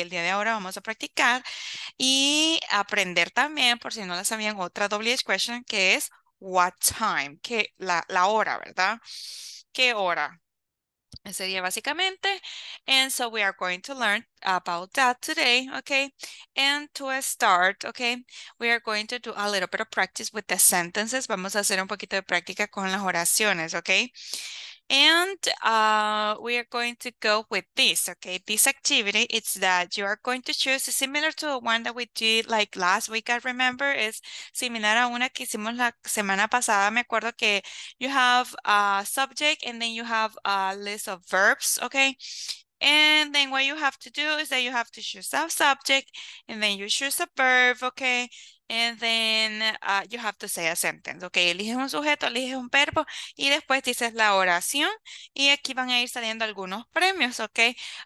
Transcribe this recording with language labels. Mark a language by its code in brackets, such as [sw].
[es] El día de ahora vamos a practicar y aprender también, por si no la sabían, otra WH question que es, what time, que la hora, ¿verdad? ¿Qué hora? Ese día básicamente. [en] And so we are going to learn about that today, okay? And to start, okay, we are going to do a little bit of practice with the sentences. [es] Vamos a hacer un poquito de práctica con las oraciones, okay? [en] And we are going to go with this, okay? This activity, it's that you are going to choose, similar to the one that we did like last week, I remember, is [es] similar a una que hicimos la semana pasada. Me acuerdo que [en] you have a subject and then you have a list of verbs, okay? And then what you have to do is that you have to choose a subject and then you choose a verb, okay? And then you have to say a sentence, okay? [es] Eliges un sujeto, eliges un verbo y después dices la oración y aquí van a ir saliendo algunos premios, okay?